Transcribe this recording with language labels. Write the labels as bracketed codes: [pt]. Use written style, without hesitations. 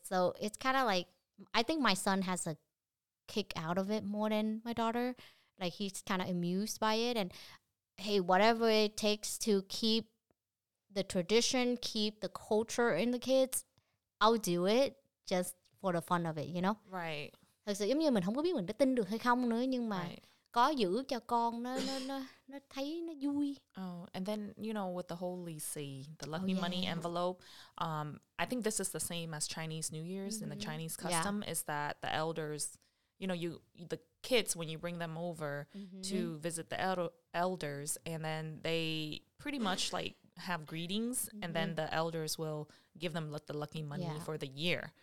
[en] So it's kind of like, I think my son has a kick out of it more than my daughter. Like, he's kind of amused by it. And hey, whatever it takes to keep the tradition, keep the culture in the kids, I'll do it just for the fun of it, you know? Right. [vi] Thật sự giống như mình không có biết mình có tin được hay không nữa, nhưng mà có giữ cho con nó thấy nó vui. [en] Oh, and then, you know, with the whole lì xì, the lucky money envelope, I think this is the same as Chinese New Year's in the Chinese custom is that the elders, you know, the kids, when you bring them over to visit the elders, and then they pretty much like have greetings and then the elders will give them the lucky money for the year.